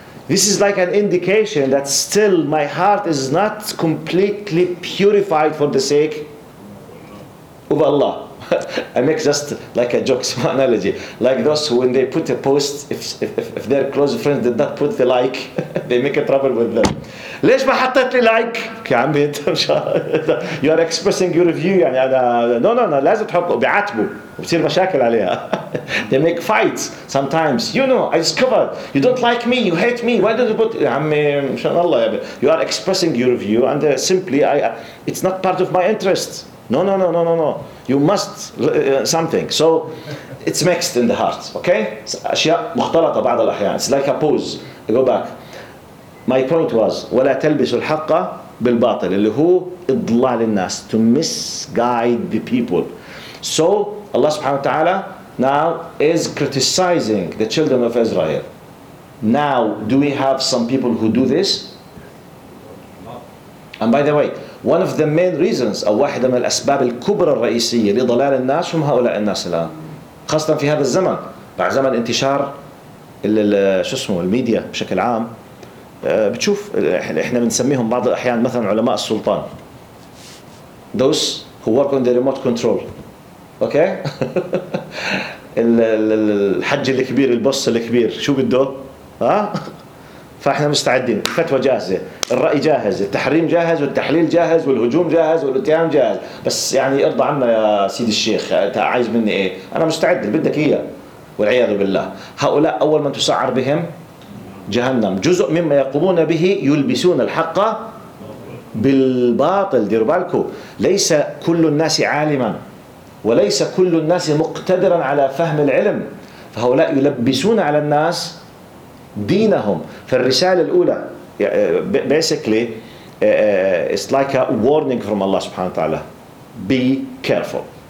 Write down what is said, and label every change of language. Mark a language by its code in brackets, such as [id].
[en] This is like an indication that still my heart is not completely purified for the sake of Allah. I make just like a joke, small analogy. Like those who, when they put a post, if their close friends did not put the like, they make a trouble with them. [ar] ليش ما حطيت لي لايك؟ يا عمي انت مش [en] you are expressing your view [ar] يعني انا [en] no no no [ar] لازم تحطه بيعاتبوا وبصير مشاكل عليها. [en] They make fights sometimes. You know, I discovered you don't like me, you hate me. Why did you put [ar] يا عمي ان شاء الله يا عمي [en] you are expressing your view and simply I it's not part of my interest. No no no no no no. You must something. So it's mixed in the heart. Okay? [ar] أشياء مختلطة بعض الأحيان. [en] It's like a pose. I go back. My point was, [ar] ولا تلبس الحق بالباطل, اللي هو إضلال الناس, [en] to misguide the people. So Allah subhanahu wa ta'ala now is criticizing the children of Israel. Now, do we have some people who do this? And by the way, one of the main reasons, [ar] أو واحدة من الأسباب الكبرى الرئيسية لضلال الناس هم هؤلاء الناس الآن, خاصة في هذا الزمن, بعد زمن انتشار شو اسمه الميديا بشكل عام. بتشوف احنا بنسميهم بعض الاحيان مثلا علماء السلطان, [en] those who work on the remote control. [ar] اوكي الحج الكبير, البص الكبير, شو بده؟ ها, فاحنا مستعدين, فتوى جاهزه, الراي جاهز, التحريم جاهز, والتحليل جاهز, والهجوم جاهز, والاتهام جاهز, بس يعني ارضى عنا يا سيدي الشيخ, انت عايز مني ايه؟ انا مستعد بدك اياه, والعياذ بالله. هؤلاء اول من تسعر بهم جهنم, جزء مما يقومون به يلبسون الحق بالباطل. دير بالكم, ليس كل الناس عالما وليس كل الناس مقتدرا على فهم العلم, فهؤلاء يلبسون على الناس دينهم. فالرسالة الأولى [en] basically it's like a warning from Allah سبحانه وتعالى, be careful.